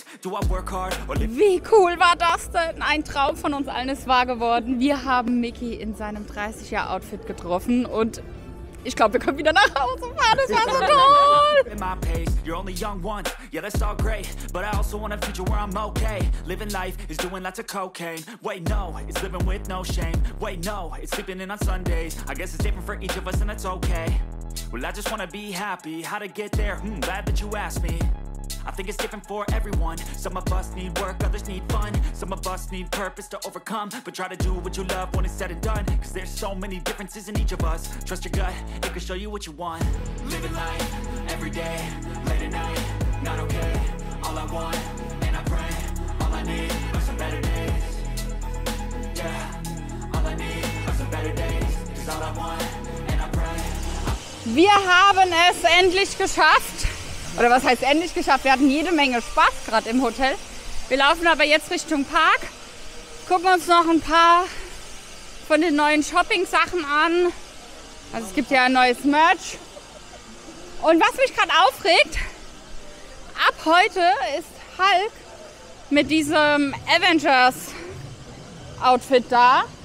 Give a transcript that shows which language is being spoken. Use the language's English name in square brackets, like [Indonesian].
[German] Wie cool war das denn? Ein Traum von uns allen ist wahr geworden. Wir haben Mickey in seinem 30-Jahr-Outfit getroffen und ich glaube, wir können wieder nach Hause fahren. Das war so toll! [English] In my pace, you're only young once. Yeah, that's all great. But I also want a future where I'm okay. Living life is doing lots of cocaine. Wait, no, it's living with no shame. Wait, no, it's sleeping in on Sundays. I guess it's different for each of us and it's okay. Well, I just want to be happy. How to get there? Glad that you asked me. I think it's different for everyone. Some of us need work, others need fun. Some of us need purpose to overcome. But try to do what you love when it's said and done. Cause there's so many differences in each of us. Trust your gut, it can show you what you want. Living life, every day, late at night, not okay. All I want, and I pray, all I need are some better days. Yeah, all I need are some better days. Cause all I want. [German] Wir haben es endlich geschafft. Oder was heißt endlich geschafft? Wir hatten jede Menge Spaß gerade im Hotel. Wir laufen aber jetzt Richtung Park, gucken uns noch ein paar von den neuen Shopping-Sachen an. Also es gibt ja ein neues Merch. Und was mich gerade aufregt, ab heute ist Hulk mit diesem Avengers-Outfit da.